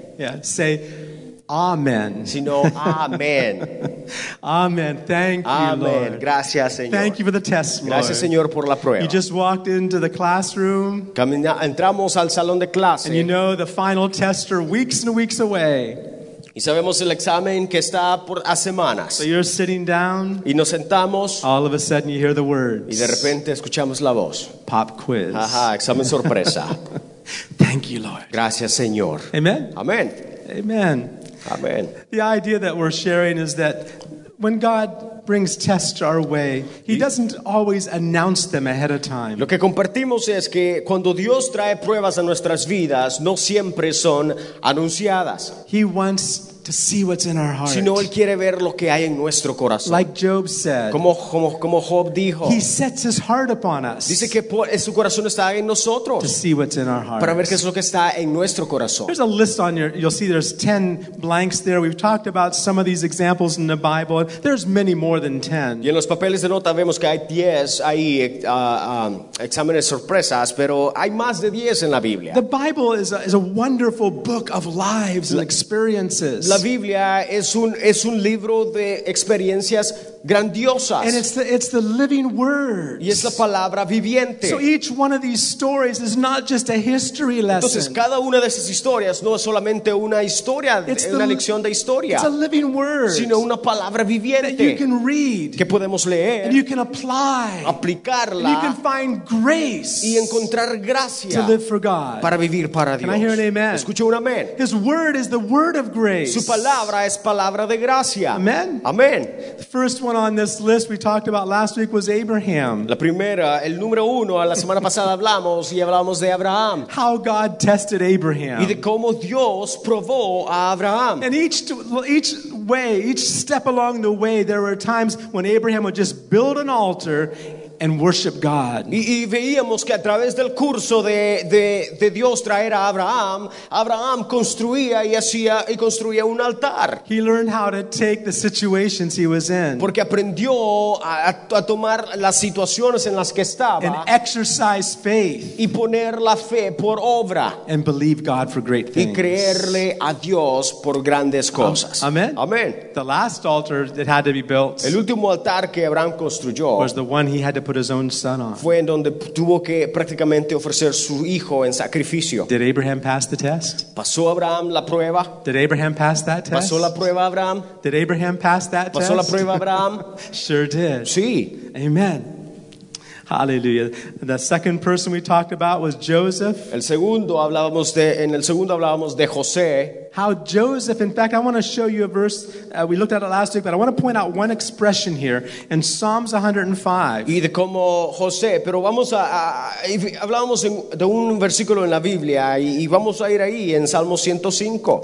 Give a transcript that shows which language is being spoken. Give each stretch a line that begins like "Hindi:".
English: Yeah, say, amen.
Spanish: Sino amen.
English: Amen. Thank you, amen. Lord.
Spanish: Amen. Gracias, Señor.
English: Thank you for the test, Lord.
Spanish: Gracias, Señor, por la prueba.
English: You just walked into the classroom.
Spanish: Entramos al salón de clase.
English: And you know the final tester weeks and weeks away.
Spanish: Y sabemos el examen que está por a semanas.
English: So you're sitting down.
Spanish: Y nos sentamos.
English: All of a sudden you hear the words.
Spanish: Y de repente escuchamos la voz.
English: Pop quiz.
Spanish: Ajá, examen sorpresa.
English: Thank you, Lord.
Spanish: Gracias, Señor. Amen. Amen. Amen. Amen.
English: The idea that we're sharing is that when God brings tests our way, He doesn't always announce them ahead of time.
Spanish: Lo que compartimos es que cuando Dios trae pruebas a nuestras vidas, no siempre son anunciadas.
English: He wants to see what's in our heart.
Spanish: Sino Él quiere ver lo que hay en nuestro corazón.
English: Like Job said.
Spanish: Como Job dijo.
English: He sets his heart upon us.
Spanish: Dice que su corazón está en nosotros.
English: To see what's in our heart.
Spanish: Para ver qué es lo que está en nuestro corazón.
English: There's a list on your, you'll see there's 10 blanks there. We've talked about some of these examples in the Bible. There's many more than 10.
Spanish: Y en los papeles de nota vemos que hay 10 ahí, exámenes sorpresas, pero hay más de 10 en la Biblia.
English: The Bible is a wonderful book of lives and experiences.
Spanish: La Biblia es un libro de experiencias grandiosas.
English: And it's the living word.
Spanish: Y es la palabra viviente.
English: So each one of these stories is not just a history lesson.
Spanish: Entonces cada una de esas historias no es solamente una historia,
English: it's
Spanish: una lección de historia.
English: It's a living word.
Spanish: Sino una palabra viviente.
English: That you can read.
Spanish: Que podemos leer.
English: And you can apply.
Spanish: Aplicarla.
English: And you can find grace.
Spanish: Y encontrar gracia.
English: To live for God.
Spanish: Para vivir para Dios.
English: Can I hear an amen?
Spanish: Escucho un amén.
English: His word is the word of grace.
Spanish: Su palabra es palabra de gracia. Amen. Amen.
English: First one on this list we talked about last week was Abraham.
Spanish: La primera, el número uno, la semana pasada hablamos y hablamos de Abraham.
English: How God tested Abraham.
Spanish: Y de cómo Dios probó a Abraham.
English: And each step along the way, there were times when Abraham would just build an altar and worship God.
Spanish: Y veíamos que a través del curso de Dios traer a Abraham, Abraham construía y hacía y construía un altar.
English: He learned how to take the situations he was in.
Spanish: Porque aprendió a tomar las situaciones en las que estaba.
English: And exercise faith.
Spanish: Y poner la fe por obra.
English: And believe God for great things.
Spanish: Y creerle a Dios por grandes cosas. Amen. Amen.
English: The last altar that had to be built.
Spanish: El último altar que Abraham construyó.
English: Was the one he had to put his own son on.
Spanish: Fue en donde tuvo que prácticamente ofrecer su hijo en sacrificio.
English: Did Abraham pass the test?
Spanish: ¿Pasó Abraham la prueba?
English: Did Abraham pass that test?
Spanish: ¿Pasó la prueba Abraham?
English: Did Abraham pass that
Spanish: test? ¿Pasó la prueba Abraham?
English: Sure did.
Spanish: Sí. Amen. Hallelujah.
English: The second person we talked about was Joseph.
Spanish: En el segundo hablábamos de José.
English: How Joseph, in fact, I want to show you a verse. We looked at it last week, but I want to point out one expression here in Psalms 105.
Spanish: Y de cómo José, pero vamos hablábamos de un versículo en la Biblia y vamos a ir ahí en Salmo 105.